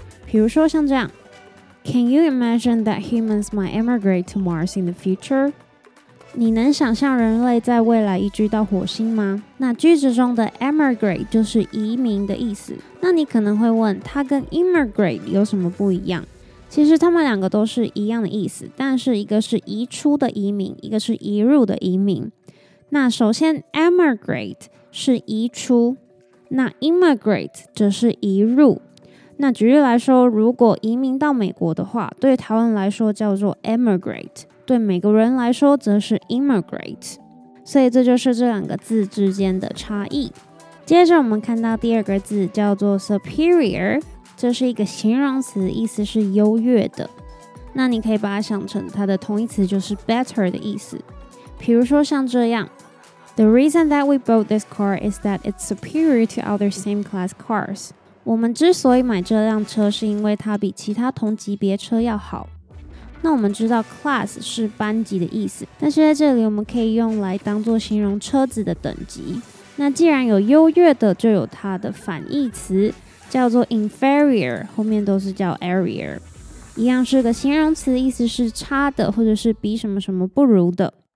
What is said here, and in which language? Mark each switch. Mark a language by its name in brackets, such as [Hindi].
[Chinese] 比如说像这样， [English] Can you imagine that humans might emigrate to Mars in the future? [Chinese] 你能想象人类在未来移居到火星吗？那句子中的 emigrate 就是移民的意思。那你可能会问，它跟 immigrate 有什么不一样？其实他们两个都是一样的意思，但是一个是移出的移民，一个是移入的移民。那首先 emigrate 是移出，那 immigrate 则是移入。那举例来说，如果移民到美国的话，对台湾来说叫做 emigrate, 对美国人来说则是 immigrate, 所以这就是这两个字之间的差异。接着我们看到第二个字叫做 superior,这是一个形容词，意思是优越的。那你可以把它想成它的同义词就是 better 的意思。比如说像这样， [English] The reason that we bought this car is that it's superior to other same class cars. [Chinese] 我们之所以买这辆车是因为它比其他同级别车要好。那我们知道 class 是班级的意思，但是在这里我们可以用来当做形容车子的等级。那既然有优越的，就有它的反义词，叫做 inferior， 后面都是叫 area， 一样是个形容词，意思是差的，或者是比什么什么不如的。